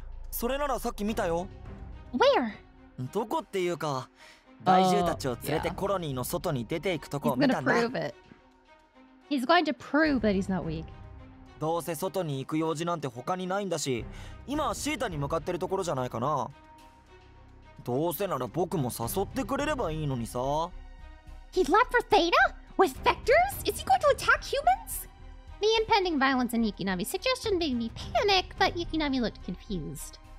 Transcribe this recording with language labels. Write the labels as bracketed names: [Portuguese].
[Japanese] それならさっき見たよ. [English] Where? [Japanese] どこっていうか... バイジューたちを連れてコロニーの外に出ていくとこを見たんだ. [English] He's gonna prove it. He's going to prove that he's not weak. [Japanese] どうせ外に行く用事なんて他にないんだし、今はシータに向かってるところじゃないかな? どうせなら僕も誘ってくれればいいのにさ。 [English] He left for Theta? With vectors? Is he going to attack humans? The impending violence in Yukinami's suggestion made me panic, but Yukinami looked confused.